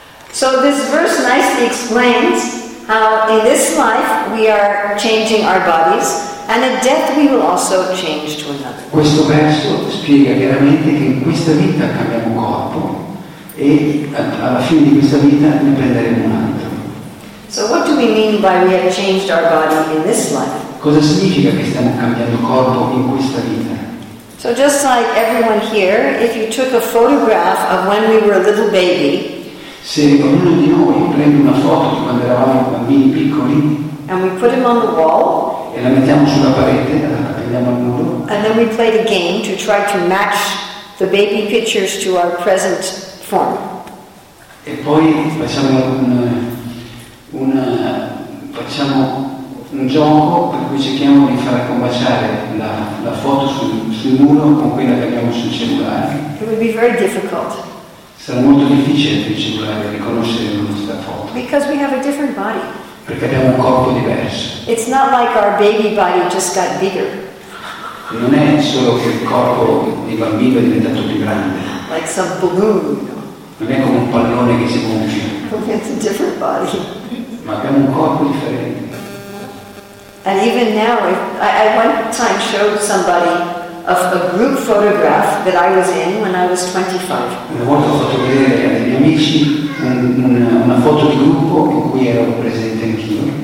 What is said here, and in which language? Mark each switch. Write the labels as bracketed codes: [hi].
[en] So this verse nicely explains how in this life we are changing our bodies and in death we will also change to another. [it] Questo verso spiega chiaramente che in questa vita cambiamo corpo e alla fine di questa vita ne prenderemo un altro. [en] So what do we mean by we have changed our body in this life? [it] Cosa significa che stiamo cambiando corpo in questa vita? [en] So just like everyone here, if you took a photograph of when we were a little baby, [it] se ognuno di noi prende una foto di quando eravamo bambini piccoli, [en] and we put him on the wall, [it] e la mettiamo sulla parete, la appendiamo al muro, [en] and then we played a game to try to match the baby pictures to our present form. [it] E poi facciamo un gioco per cui cerchiamo di far combaciare la foto sul muro con quella che abbiamo sul cellulare. [en] It would be very difficult. [it] Sarà molto difficile per il cellulare riconoscere la nostra foto. [en] Because we have a different body. [it] Perché abbiamo un corpo diverso. [en] It's not like our baby body just got bigger. [it] Non è solo che il corpo di bambino è diventato più grande. [en] Like some balloon. [it] Non è come un pallone che si gonfia. [en] It's a different body. [it] Ma abbiamo un corpo differente. [en] And even now, I one time showed somebody of a group photograph that I was in when I was 25. [it] Una volta ho fatto vedere ai miei amici una foto di gruppo in cui ero presente anch'io.